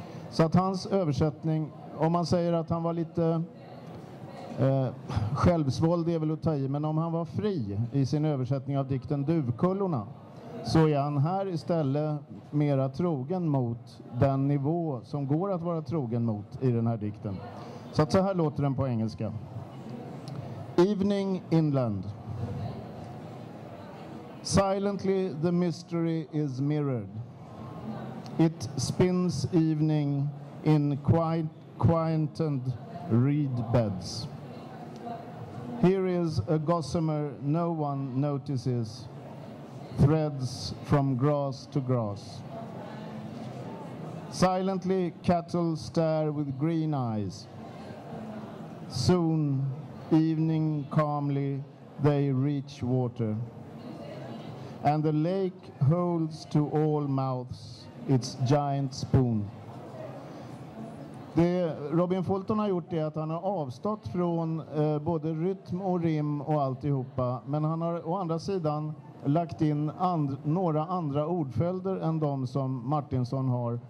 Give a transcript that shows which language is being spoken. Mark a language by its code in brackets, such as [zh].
[sv] Så att hans översättning, om man säger att han var lite självsvåld är väl att ta i, men om han var fri i sin översättning av dikten Duvkullorna, så är han här istället mera trogen mot den nivå som går att vara trogen mot i den här dikten. Så här låter den på engelska. [en] Evening inland. Silently the mystery is mirrored. It spins evening in quietened reed beds. Here is a gossamer no one notices, threads from grass to grass. Silently cattle stare with green eyes. Soon, evening calmly, they reach water. And the lake holds to all mouths its giant spoon. [sv] Det Robin Fulton har gjort är att han har avstått från både rytm och rim och alltihopa. Men han har å andra sidan lagt in några andra ordföljder än de som Martinsson har.